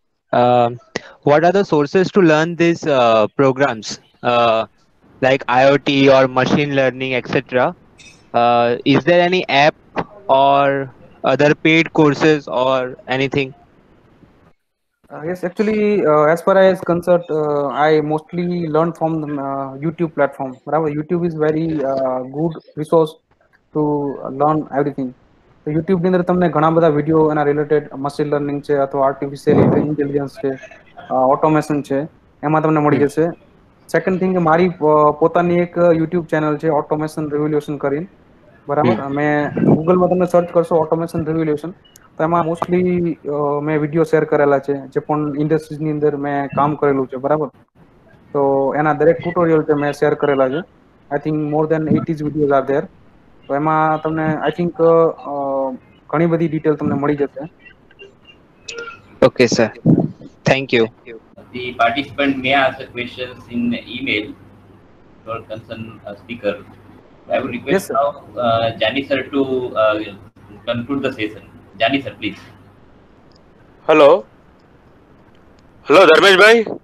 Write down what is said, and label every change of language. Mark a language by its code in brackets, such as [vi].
[en] What are the sources to learn these programs, like IoT or machine learning, etc.? Is there any app or other paid courses or anything? Yes, actually, as far as concerned, I mostly learn from the YouTube platform. Rather, YouTube is very good resource to learn everything. [gu] So YouTube ની અંદર તમને ઘણા બધા video એના related machine learning છે અથવા artificial intelligence છે automation છે એમાં તમને મળી જશે. સેકન્ડ થિંગ મારી પોતાની એક યુટ્યુબ ચેનલ છે ઓટોમેશન રિવોલ્યુશન કરીને, બરાબર. મેં ગૂગલમાં તમે સર્ચ કરશો ઓટોમેશન રિવોલ્યુશન તો એમાં મોસ્ટલી મેં વિડીયો શેર કરેલા છે જે પણ ઇન્ડસ્ટ્રીની અંદર મેં કામ કરેલું છે, બરાબર. તો એના દરેક ટ્યુટોરિયલ છે મેં શેર કરેલા છે. [en] I think more than 80 videos are there. [gu] તો એમાં તમને [en] I think [gu] ઘણી બધી ડિટેલ તમને મળી જશે. [en] Okay sir, thank you. The participant may ask questions in email for concern speaker. I would request, yes, sir, now Jani sir to conclude the session. Jani sir, please. Hello. Hello, Dharmesh bhai.